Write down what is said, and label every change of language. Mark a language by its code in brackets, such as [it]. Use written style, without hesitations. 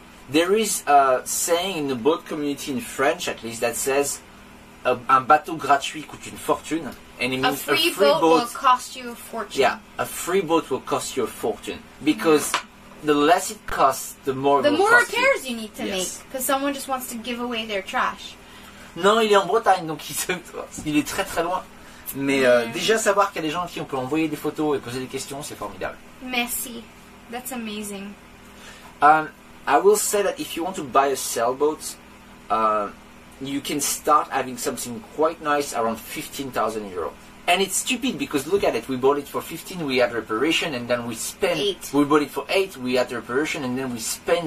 [en] There is a saying in the boat community in French, at least, that says, [fr] un bateau gratuit coûte une fortune. [en] And it means a free boat will cost you a fortune. Yeah, a free boat will cost you a fortune. Because the less it costs, the more the more repairs you need to make. Because someone just wants to give away their trash. [fr] Non, il est en Bretagne, donc il est très très loin. Mais déjà savoir qu'il y a des gens à qui on peut envoyer des photos et poser des questions, c'est formidable. Merci. [en] That's amazing. I will say that if you want to buy a sailboat, you can start having something quite nice around 15,000 euros. And it's stupid because look at it. We bought it for 15, we had reparation, and then we spent... 8. We bought it for 8, we had reparation, and then we spent